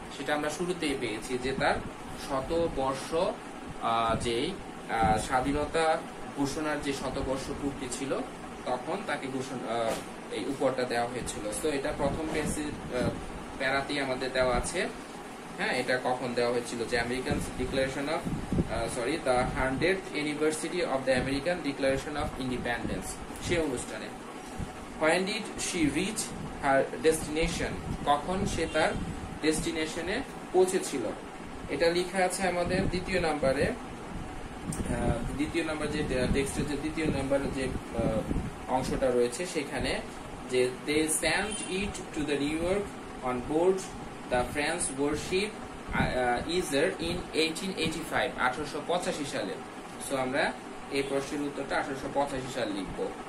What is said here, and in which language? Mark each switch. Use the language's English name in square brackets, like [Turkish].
[Bangla] সেটা আমরা শুরুতেই পেয়েছি যে তার শতবর্ষ, যেই স্বাধীনতা ঘোষণার যে শতবর্ষ পূর্তি ছিল তখন তাকে এই উপহারটা দেওয়া হয়েছিল। তো এটা প্রথম প্যারাতেই আমাদের দেওয়া আছে, হ্যাঁ, এটা কখন দেওয়া হয়েছিল, যে American declaration of, sorry, [English] the 100th anniversary of the American declaration of independence, [Bangla] সে অনুষ্ঠানে। [English] When did she reach her destination? [Bangla] কখন সে তার ডেস্টিনেশনে পৌঁছেছিল, এটা লিখা আছে আমাদের দ্বিতীয় নাম্বারে, দ্বিতীয় নাম্বার যে টেক্সটের যে দ্বিতীয় নাম্বার যে অংশটা রয়েছে সেখানে, যে [English] they sent it to the New York on board the French warship Easter in 1885, [Bangla] 1885 সালে। সো আমরা এই প্রশ্নের উত্তরটা 1885 সাল লিখবো।